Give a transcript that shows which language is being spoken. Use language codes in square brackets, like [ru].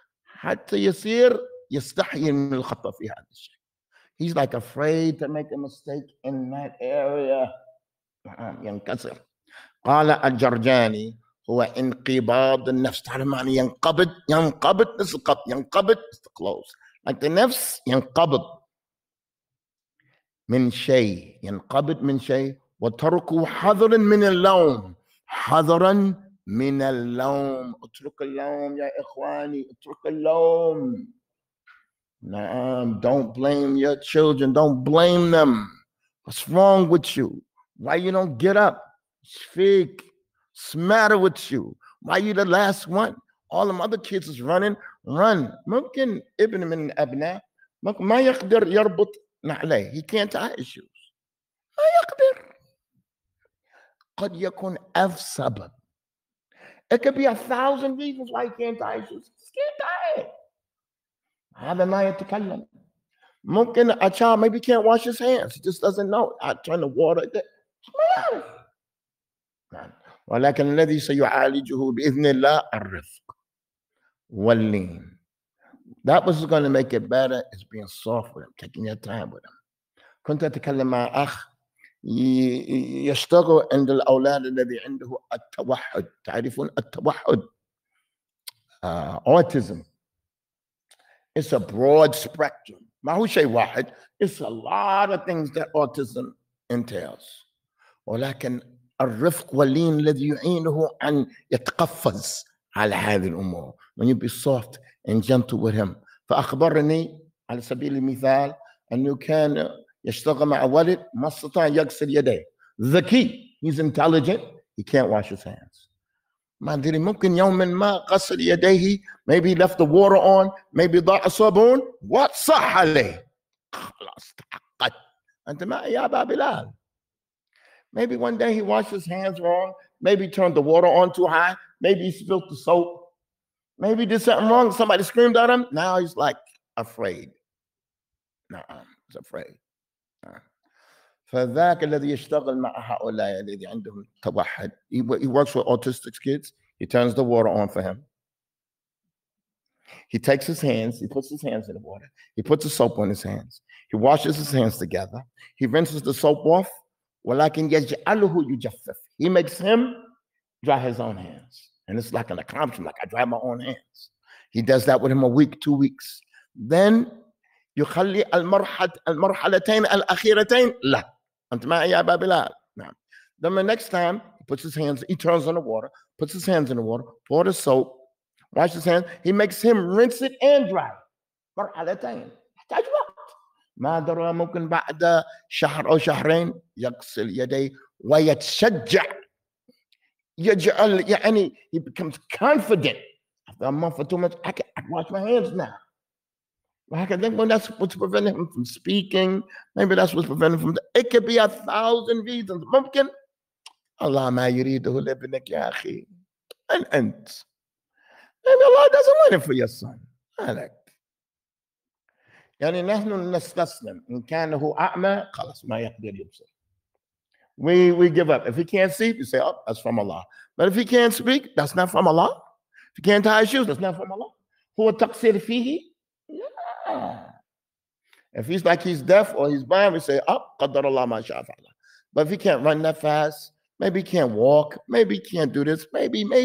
[ar] حتى يصير يستحي من الخطأ في هذا الشيء. [en] He's like afraid to make a mistake in that area. [ar] ينكسر. قال الجرجاني هو انقباض النفس. تعرف معنى ينقبض؟ ينقبض نفس القبض. [en] ينقبض is the close. Like the [ar] نفس ينقبض. من شيء ينقبض من شيء وتركوا حذرا من اللوم حذرا من اللوم اترك اللوم يا إخواني اترك اللوم [en] نعم don't blame your children don't blame them what's wrong with you why you don't get up speak what's the matter with you why you the last one all them other kids is running run [ar] ممكن ابن من أبناء ممكن ما يقدر يربط نعليه. [en] He can't tie his shoes. [ar] ما يقدر. قد يكون ألف سبب. [en] It could be 1,000 reasons why he can't tie his shoes. He can't tie it. [ar] هذا ما يتكلم. ممكن [en] a child maybe can't wash his hands. He just doesn't know. I turn the water. [ar] ما يعرف. ولكن الذي سيعالجه بإذن الله الرفق. واللين. [en] That was going to make it better is being soft with him, taking your time with him. [ar] كنت أتكلم مع أخ يشتغل عند الأولاد الذي عنده التوحد. تعرفون التوحد? Autism. [en] It's a broad spectrum. [ar] ما هو شيء واحد. [en] It's a lot of things that autism entails. [ar] ولكن الرفق واللين الذي يعينه أن يتقفز على هذه الأمور. [en] When you be soft and gentle with him. [ar] فأخبرني على سبيل المثال أنه كان يشتغل مع ولد ما استطاع يغسل يديه. ذكي. [en] He's intelligent. He can't wash his hands. [ar] ما أدري ممكن يوما ما غسل يديه. [en] Maybe left the water on. [ar] Maybe ضاع صابون. What صح عليه؟ خلاص تعقد. أنت ما يا بابلال. [en] Maybe one day he washed his hands wrong. Maybe turned the water on too high. Maybe he spilled the soap. Maybe did something wrong. Somebody screamed at him. Now he's like afraid. He's afraid. فذاك الذي يشتغل مع هؤلاء الذي عندهم توحد. He works with autistic kids. He turns the water on for him. He takes his hands. He puts his hands in the water. He puts the soap on his hands. He washes his hands together. He rinses the soap off. [ar] ولكن يجعله يجفف. [en] He makes him dry his own hands. And it's like an accomplishment, like I dry my own hands. He does that with him a week, 2 weeks. [ar] Then يخلي المرحلتين الأخيرتين لا. أنت معي يا بابلال. نعم. [en] Then the next time, he puts his hands, he turns on the water, puts his hands in the water, pour the soap, wash his hands. He makes him rinse it and dry. [ar] مرحلتين. يحتاج وقت. ما أدري ممكن بعد شهر أو شهرين يغسل يديه ويتشجع يجعل يعني [en] he becomes confident after a month or 2 months I can wash my hands now. Well, I can think, well, that's what's preventing him from speaking. Maybe that's what's preventing him from it could be 1,000 reasons. [ar] ممكن الله ما يريده لابنك يا أخي أن أنت. [en] Maybe Allah doesn't want it for your son. Alek. [ar] يعني نحن نستسلم إن كان هو أعمى خلاص ما يقدر يبصر. [en] We give up. If he can't see, you say, oh, that's from Allah. But if he can't speak, that's not from Allah. If he can't tie his shoes, that's not from Allah. [ar] هو تقصير فيه. [en] If he's like he's deaf or he's blind, we say, oh, [ar] قدر الله ما شاء فعل. [en] But if he can't run that fast, maybe he can't walk, maybe he can't do this, maybe.